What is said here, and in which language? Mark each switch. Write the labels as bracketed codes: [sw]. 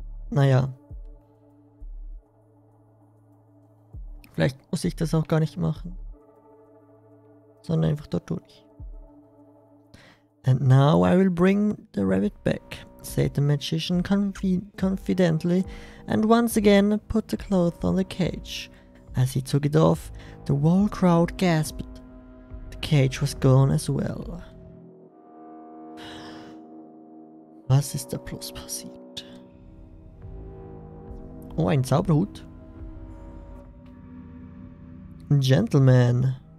[de] Naja. Vielleicht muss ich das auch gar nicht machen. Sondern einfach dort durch. [en] And now I will bring the rabbit back, said the magician confidently, and once again put the cloth on the cage. As he took it off, the whole crowd gasped. The cage was gone as well. [de] Was ist da bloß passiert? Oh, ein Zauberhut. [en] Gentleman.